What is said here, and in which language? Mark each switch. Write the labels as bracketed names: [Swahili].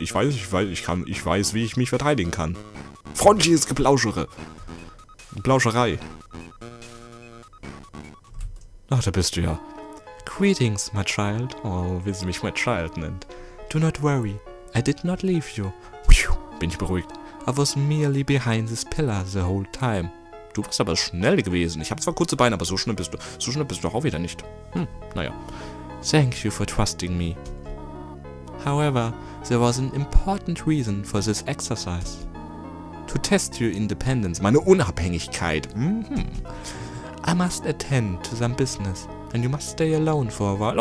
[German] Ich weiß, wie ich mich verteidigen kann. Freundliches Geplauschere. Plauscherei. Ach, da bist du ja. [English] Greetings, my child. [German] Oh, wie sie mich [English] my child [German] nennt. [English] Do not worry. I did not leave you. [German] Bin ich beruhigt. [English] I was merely behind this pillar the whole time. [German] Du bist aber schnell gewesen. Ich habe zwar kurze Beine, aber so schnell bist du auch wieder nicht. Hm, naja. [English] Thank you for trusting me. However, there was an important reason for this exercise. To test your independence. [German] Meine Unabhängigkeit. Mhm. [English] I must attend to some business and you must stay alone for a while.